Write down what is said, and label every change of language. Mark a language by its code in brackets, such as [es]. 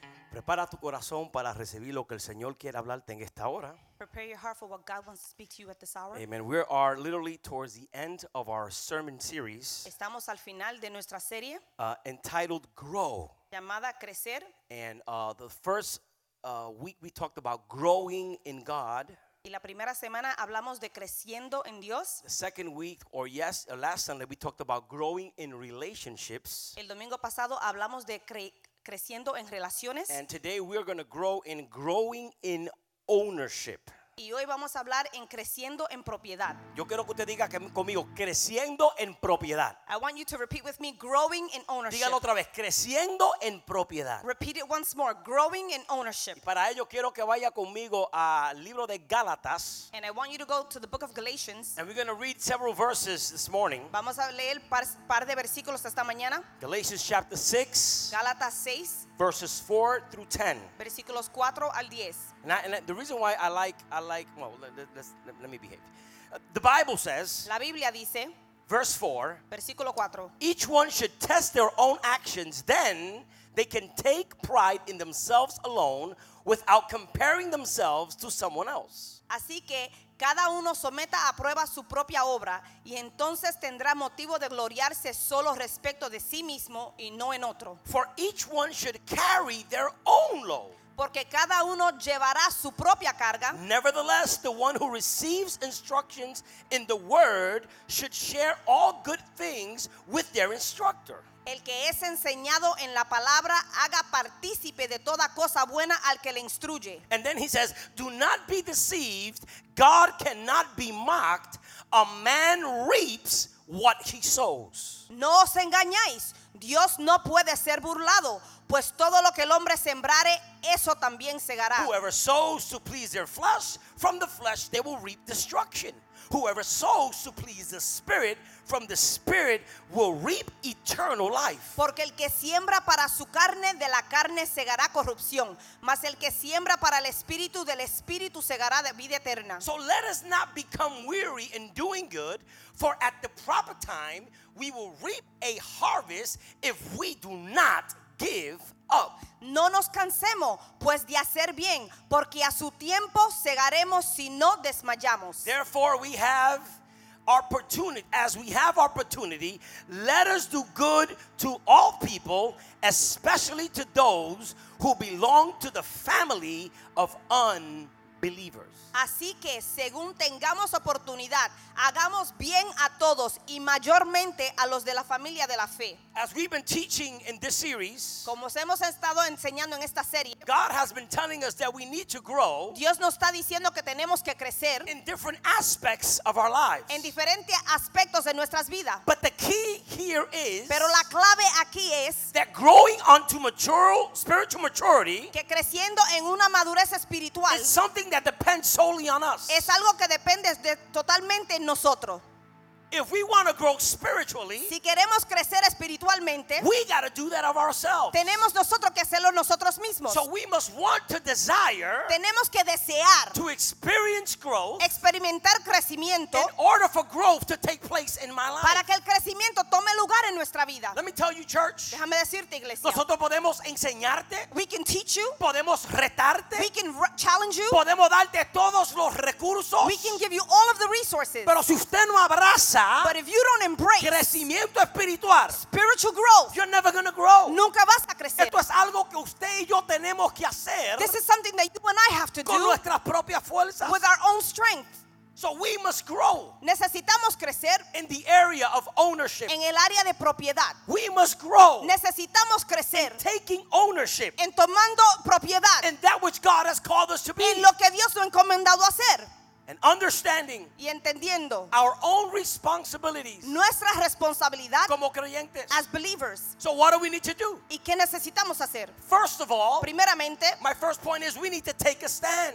[es] Prepara tu corazón para recibir lo que el Señor quiere hablarte en esta hora. [en] Prepare your heart for what God wants to speak to you at this hour. Amen. We are literally towards the end of our sermon series. [es] Estamos al final de nuestra serie. [en] Entitled Grow. [es] Llamada Crecer. [en] And the first week we talked about growing in God. [es] Y la primera semana hablamos de creciendo en Dios. [en] The second week, or yes, last Sunday we talked about growing in relationships. [es] El domingo pasado hablamos de creciendo en relaciones. [en] And today we are going to grow in growing in ownership. [es] Y hoy vamos a hablar en creciendo en propiedad. Yo quiero que usted diga conmigo, creciendo en propiedad. [en] I want you to repeat with me, growing in ownership. [es] Dígalo otra vez, creciendo en propiedad. [en] Repeat it once more, growing in ownership. [es] Y para ello quiero que vaya conmigo al libro de Gálatas. [en] And I want you to go to the book of Galatians. And we're going to read several verses this morning. [es] Vamos a leer par de versículos esta mañana. [en] Galatians chapter 6. [es] Gálatas 6. [en] Verses 4 through 10. [es] Versículos 4 al 10. [en] And the reason why I like, well, let me behave. The Bible says, [es] La Biblia dice, [en] verse 4, [es] versículo 4, [en] each one should test their own actions, then they can take pride in themselves alone without comparing themselves to someone else. [es] Así que cada uno someta a prueba su propia obra y entonces tendrá motivo de gloriarse solo respecto de sí mismo y no en otro. [en] For each one should carry their own load. [es] Porque cada uno llevará su propia carga. [en] Nevertheless, the one who receives instructions in the word should share all good things with their instructor. [es] El que es enseñado en la palabra haga partícipe de toda cosa buena al que le instruye. [en] And then he says, do not be deceived. God cannot be mocked. A man reaps what he sows. [es] No os engañáis. Dios no puede ser burlado. Pues todo lo que el hombre sembrare, eso también segará. [en] Whoever sows to please their flesh, from the flesh they will reap destruction. Whoever sows to please the Spirit, from the Spirit will reap eternal life. [es] Porque el que siembra para su carne, de la carne segará corrupción. Mas el que siembra para el Espíritu, del Espíritu segará de vida eterna. [en] So let us not become weary in doing good, for at the proper time we will reap a harvest if we do not give up. [es] No nos cansemos, pues de hacer bien, porque a su tiempo segaremos si no desmayamos. [en] Therefore, we have opportunity. As we have opportunity, let us do good to all people, especially to those who belong to the family of unbelievers. [es] Así que, según tengamos oportunidad, hagamos bien a todos y mayormente a los de la familia de la fe. [en] As we've been teaching in this series, [es] como hemos estado enseñando en esta serie, [en] God has been telling us that we need to grow. [es] Dios nos está diciendo que tenemos que crecer [en] in different aspects of our lives. [es] En diferentes aspectos de nuestras vidas. [en] But the key here is, [es] pero la clave aquí es, [en] that growing onto spiritual maturity, [es] que creciendo en una madurez espiritual, [en] is something that depends solely on us. [es] Es algo que depende de totalmente nosotros. [en] If we want to grow spiritually, [es] si queremos crecer espiritualmente, [en] we got to do that of ourselves. [es] Tenemos nosotros que hacerlo nosotros mismos. [en] So we must want to desire, [es] tenemos que desear, [en] to experience growth, [es] experimentar crecimiento, [en] in order for growth to take place in my life. [es] Para que el crecimiento tome lugar en nuestra vida. [en] Let me tell you, church. [es] Déjame decirte, iglesia. Nosotros podemos enseñarte. [en] We can teach you. [es] Podemos retarte. [en] We can challenge you. [es] Podemos darte todos los recursos. [en] We can give you all of the resources. [es] Pero si usted no abraza, [en] but if you don't embrace [es] crecimiento espiritual, [en] spiritual growth, you're never going to grow. [es] Nunca vas a crecer. Esto es algo que usted y yo tenemos que hacer. [en] This is something that you and I have to [es] con [en] do [es] nuestras propias fuerzas. [en] With our own strength. So we must grow. [es] Necesitamos crecer. [en] In the area of ownership. [es] En el área de propiedad. [en] We must grow. [es] Necesitamos crecer. [en] In taking ownership. [es] En tomando propiedad. [en] In that which God has called us to be. [es] En lo que Dios nos ha encomendado hacer. [en] And understanding [es] y entendiendo [en] our own responsibilities, [es] nuestra responsabilidad como creyentes, [en] as believers. So what do we need to do? [es] ¿Y qué necesitamos hacer? [en] First of all, [es] primeramente, [en] my first point is we need to take a stand.